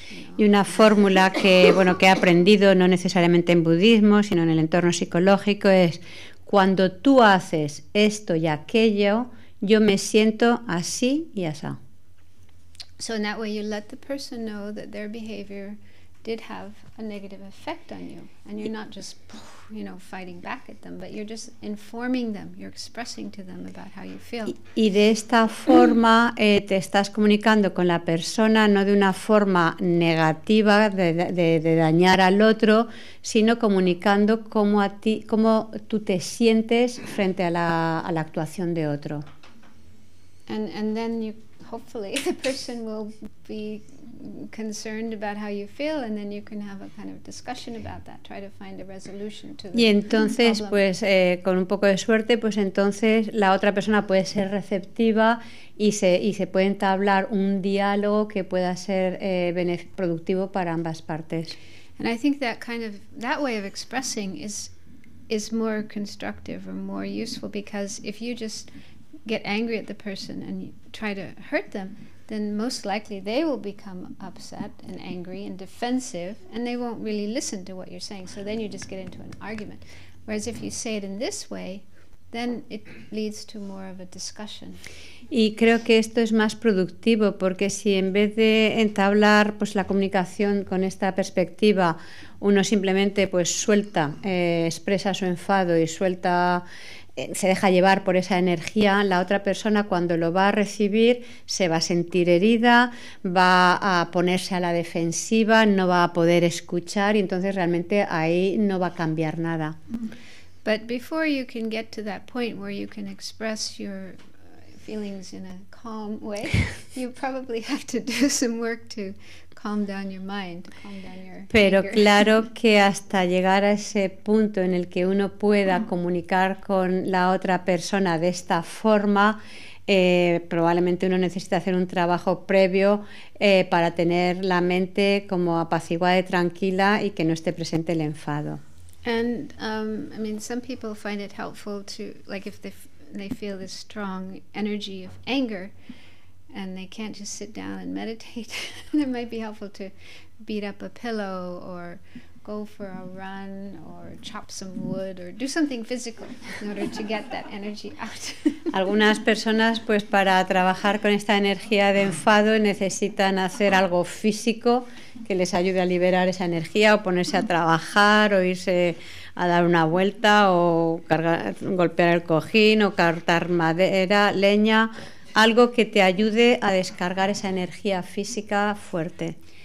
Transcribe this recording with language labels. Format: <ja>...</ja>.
<en>You know?</en> <es>Y una fórmula que, bueno, que he aprendido, no necesariamente en budismo, sino en el entorno psicológico, es: cuando tú haces esto y aquello, yo me siento así y asá.</es> <en>So in that way you let the person know that their behavior did have a negative effect on you, and you're not just, you know, fighting back at them, but you're just informing them, you're expressing to them about how you feel.</en> <es>Y de esta forma te estás comunicando con la persona no de una forma negativa de dañar al otro, sino comunicando cómo a ti, cómo tú te sientes frente a la actuación de otro.</es> <en>And then you, hopefully the person will be concerned about how you feel, and then you can have a kind of discussion about that. Try to find a resolution to the problem.</en> <es>Y entonces, pues, con un poco de suerte, pues entonces la otra persona puede ser receptiva y se puede entablar un diálogo que pueda ser productivo para ambas partes.</es> <en>And I think that kind of that way of expressing is more constructive or more useful, because if you just get angry at the person and try to hurt them, then most likely they will become upset and angry and defensive, and they won't really listen to what you're saying. So then you just get into an argument. Whereas if you say it in this way, then it leads to more of a discussion.</en> <es>Y creo que esto es más productivo, porque si en vez de entablar pues la comunicación con esta perspectiva, uno simplemente pues suelta, expresa su enfado y suelta, se deja llevar por esa energía, la otra persona cuando lo va a recibir se va a sentir herida, va a ponerse a la defensiva, no va a poder escuchar, y entonces realmente ahí no va a cambiar nada.</es> <en>But before you can get to that point where you can express your feelings in a calm way, you probably have to do some work to calm down your mind, calm down your anger.</en> <es>Pero claro que hasta llegar a ese punto en el que uno pueda comunicar con la otra persona de esta forma, probablemente uno necesita hacer un trabajo previo para tener la mente como apaciguada y tranquila y que no esté presente el enfado.</es> <en>And I mean, some people find it helpful to, like, if they feel this strong energy of anger and they can't just sit down and meditate, it might be helpful to beat up a pillow or go for a run or chop some wood or do something physical in order to get that energy out.</en> <es>Algunas personas, pues, para trabajar con esta energía de enfado necesitan hacer algo físico que les ayude a liberar esa energía, o ponerse a trabajar, o irse a dar una vuelta, o golpear el cojín, o cortar madera, leña, algo que te ayude a descargar esa energía física fuerte.</es>